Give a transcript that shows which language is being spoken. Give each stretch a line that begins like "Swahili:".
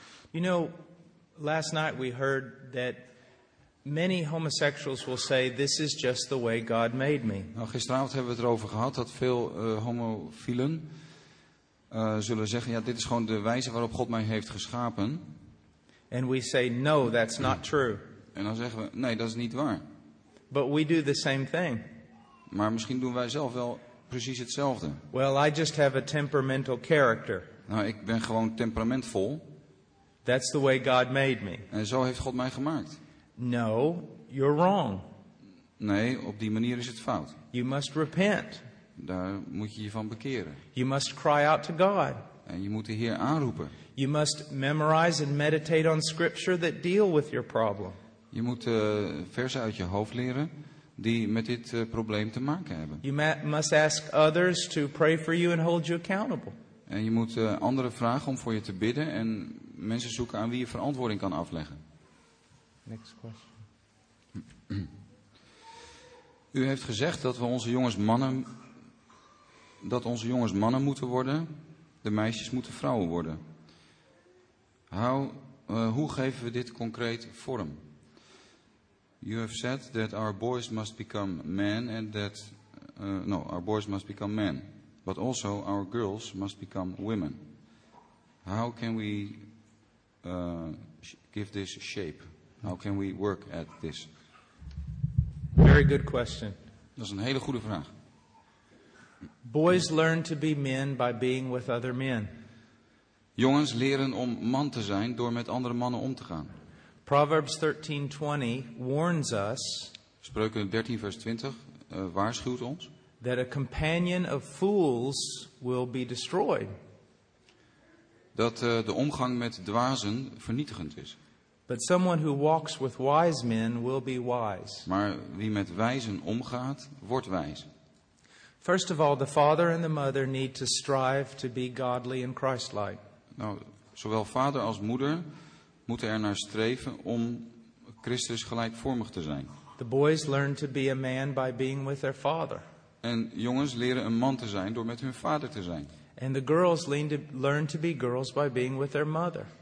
English: You know, last night we heard that many homosexuals will say this is just the way God made me.
Dutch: Nou, gisteravond hebben we het erover gehad dat veel homofielen zullen zeggen ja, dit is gewoon de wijze waarop God mij heeft geschapen.
English: And we say no, that's not true.
Dutch: En dan zeggen we nee, dat is niet waar.
English: But we do the same thing.
Dutch: Maar misschien doen wij zelf wel precies hetzelfde.
English: Well, I just have a temperamental character.
Dutch: Nou, ik ben gewoon temperamentvol.
English: That's the way God made me.
Dutch: En zo heeft God mij gemaakt.
English: No, you're wrong.
Dutch: Nee, op die manier is het fout.
English: You must repent.
Dutch: Daar moet je je van bekeren.
English: You must cry out to God.
Dutch: En je moet de Heer aanroepen.
English: You must memorize and meditate on scripture that deal with your problem.
Dutch: Je moet versen uit je hoofd leren die met dit probleem te maken hebben.
English: You must ask others to pray for you and hold you accountable.
Dutch: En je moet anderen vragen om voor je te bidden en mensen zoeken aan wie je verantwoording kan afleggen.
English: Next question.
Dutch: U heeft gezegd dat we onze jongens mannen, dat onze jongens mannen moeten worden, de meisjes moeten vrouwen worden. Hoe geven we dit concreet vorm?
English: You have said that our boys must become men and that our boys must become men, but also our girls must become women. How can we give this shape? How can we work at this? Very good question.
Dutch: Dat is een hele goede vraag.
English: Boys learn to be men by being with other men.
Dutch: Jongens leren om man te zijn door met andere mannen om te gaan.
English: Proverbs 13:20 warns us.
Dutch: Spreuken 13 vers 20 waarschuwt ons.
English: That a companion of fools will be destroyed.
Dutch: Dat de omgang met dwazen vernietigend is.
English: But someone who walks with wise men will be wise.
Dutch: Maar wie met wijzen omgaat, wordt wijs.
English: First of all, the father and the mother need to strive to be godly and Christ-like.
Dutch: Nou, zowel vader als moeder moeten er naar streven om Christus gelijkvormig te zijn.
English: The boys learn to be a man by being with their father.
Dutch: En jongens leren een man te zijn door met hun vader te zijn.
English: And the girls learn to be girls by being with their mother.